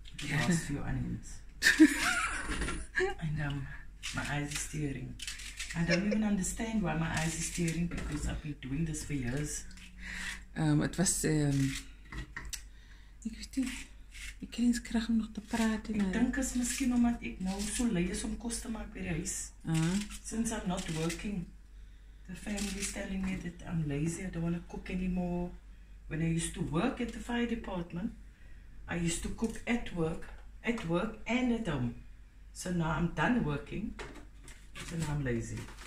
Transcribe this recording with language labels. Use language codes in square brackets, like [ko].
[en] Lost a few onions. I know. My eyes are staring. I don't even understand why my eyes are staring, because I've been doing this for years. It was [af] ek weet nie. Ek kan nie krag om nog te praat nie. Ek dink is miskien omdat ek nou so lui is om kos te maak by die huis. [en] Since I'm not working, the family is telling me that I'm lazy, I don't want to cook anymore. When I used to work at the fire department, I used to cook at work and at home. So now I'm done working, so now I'm lazy.